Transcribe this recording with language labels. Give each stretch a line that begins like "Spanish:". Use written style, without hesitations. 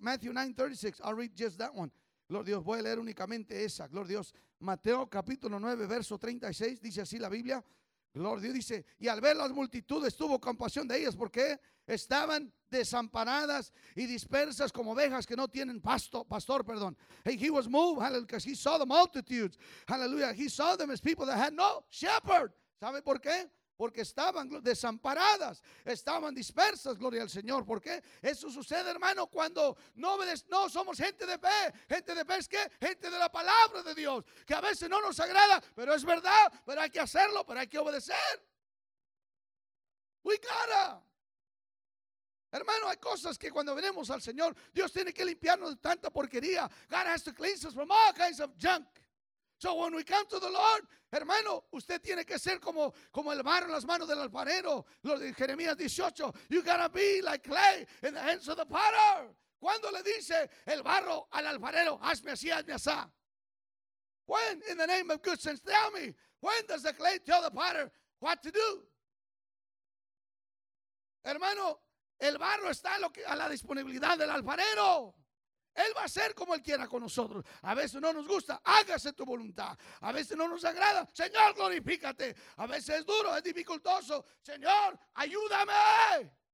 English: Matthew 9, 36. I'll read just that one.
Spanish: Gloria a Dios. Voy a leer únicamente esa. Gloria a Dios. Mateo capítulo 9, verso 36. Dice así la Biblia. Gloria, Dios dice, y al ver las multitudes tuvo compasión de ellas porque estaban desamparadas y dispersas como ovejas que no tienen pastor.
English: Hey, he was moved, hallelujah, he saw the multitudes, hallelujah, he saw them as people that had no shepherd.
Spanish: ¿Sabe por qué? Porque estaban desamparadas, estaban dispersas, gloria al Señor. ¿Por qué? Eso sucede, hermano, cuando no somos gente de fe. ¿Gente de fe es qué? Gente de la palabra de Dios, que a veces no nos agrada, pero es verdad, pero hay que hacerlo, pero hay que obedecer.
English: We gotta.
Spanish: Hermano, hay cosas que cuando venimos al Señor, Dios tiene que limpiarnos de tanta porquería.
English: God has to cleanse us from all kinds of junk. So when we come to the Lord,
Spanish: hermano, usted tiene que ser como el barro en las manos del alfarero. Lo de Jeremías 18,
English: you gotta be like clay in the hands of the potter.
Spanish: ¿Cuándo le dice el barro al alfarero, hazme así, hazme así?
English: When, in the name of good sense, tell me, when does the clay tell the potter what to do?
Spanish: Hermano, el barro está a la disponibilidad del alfarero. Él va a ser como Él quiera con nosotros. A veces no nos gusta, hágase tu voluntad. A veces no nos agrada, Señor, glorifícate. A veces es duro, es dificultoso, Señor, ayúdame.